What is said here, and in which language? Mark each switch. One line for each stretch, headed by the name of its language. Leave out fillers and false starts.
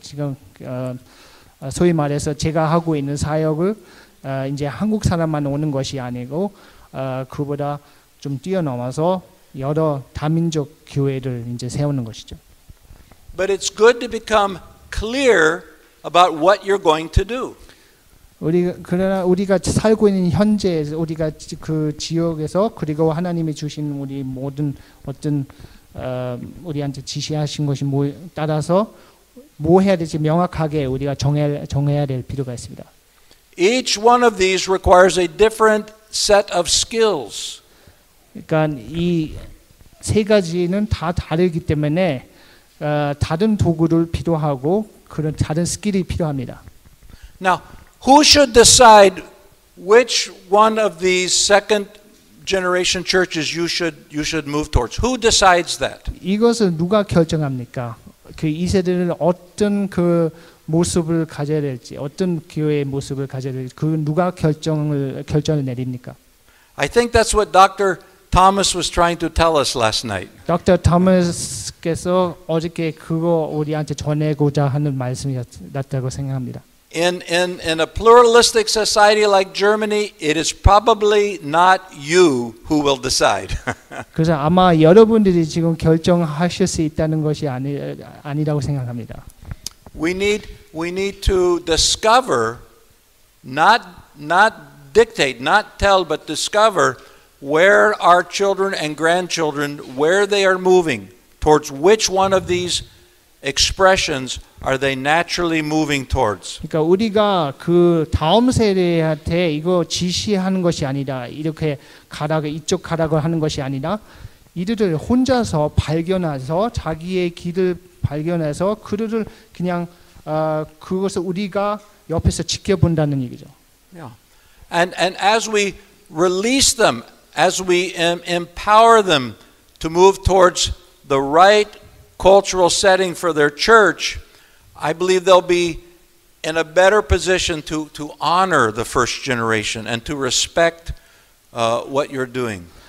Korean: 지금 소위 말해서 제가 하고 있는 사역을 이제 한국 사람만 오는 것이 아니고 그보다 좀 뛰어넘어서 여러 다민족 교회를 이제 세우는 것이죠.
English: But it's good to become clear about what you're going to do.
Korean: 우리가 살고 있는 현재 우리가 그 지역에서 그리고 하나님이 주신 우리 모든 어떤 우리한테 지시하신 것이 뭐 따라서 뭐 해야 될지 명확하게 우리가 정해야 될 필요가 있습니다.
English: Each one of these requires a different set of skills.
Korean: 그러니까 이 세 가지는 다 다르기 때문에 다른 도구를 필요하고 그런 다른 스킬이 필요합니다.
English: Now, who should decide which one of these second generation churches you should move towards? Who decides that?
Korean: 이것을 누가 결정합니까? 그 이 세대를 어떤 그 모습을 가져야 될지, 어떤 교회의 모습을 가져야 될지, 그 누가 결정을 내립니까?
English: I think that's what Dr. Thomas was trying to tell us last night. Dr.
Korean: Thomas께서 어저께 그거 우리한테 전해고자 하는 말씀이었다고 생각합니다.
English: In a pluralistic society like Germany, it is probably not you who will decide.
Korean: 그래서 아마 여러분들이 지금 결정하실 수 있다는 것이 아니라고 생각합니다.
English: We need to discover, not dictate, not tell, but discover where our children and grandchildren, where they are moving towards, which one of these expressions are they naturally moving towards.
Korean: 그러니까 우리가 그 다음 세대한테 이거 지시하는 것이 아니라 이렇게 가락을 이쪽 가락을 하는 것이 아니라 이들을 혼자서 발견해서 자기의 길을 발견해서 그들을 그냥 그것을 우리가 옆에서 지켜본다는 얘기죠.
English: Yeah. And as we release them, as we empower them to move towards the right cultural setting for their church, I believe they'll be in a better position to honor the first generation and to respect what you're doing.